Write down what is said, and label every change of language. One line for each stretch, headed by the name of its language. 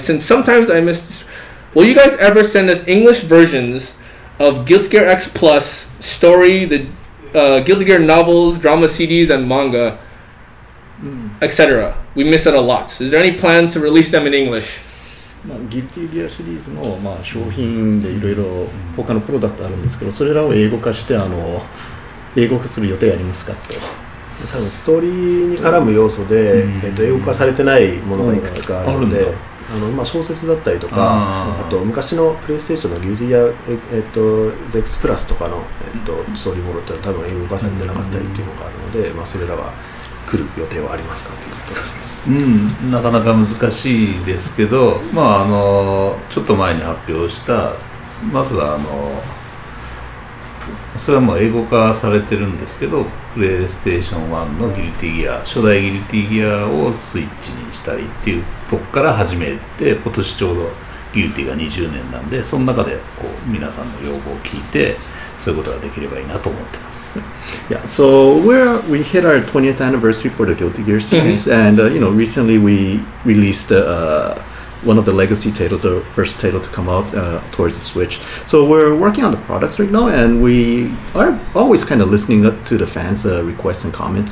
English: Since sometimes I miss, will you guys ever send us English versions of Guilty Gear X Plus story, the Guilty Gear novels, drama CDs, and manga, etc.? We miss it a lot. Is there any plans to release them in English?
Japanese: ギルティギアシリーズの、まあ、商品でいろいろ他のプロダクトあるんですけど、それらを英語化して英語化する予定ありますかと。多分ストーリーに絡む要素で、英語化されてないものがいくつかあるので、小説だったりとか、 あと昔のプレイステーションのギルティギア、ゼックスプラスとかの、ストーリーものっていうのは多分英語化されてなかったりっていうのがあるので、それらは来る予定はありますかということです。なかなか難しいですけど、まあちょっと前に発表した、まずはそれはもう英語化されてるんですけど、プレイステーション1のギルティギア、初代ギルティギアをスイッチにしたりっていうとこから始めて、今年ちょうどギルティが20年なんで、その中でこう皆さんの要望を聞いて、そういうことができればいいなと思ってます。
English: Yeah, so we hit our 20th anniversary for the Guilty Gear series, and recently we released one of the legacy titles, the first title to come out towards the Switch. So we're working on the products right now, and we are always kind of listening to the fans' requests and comments.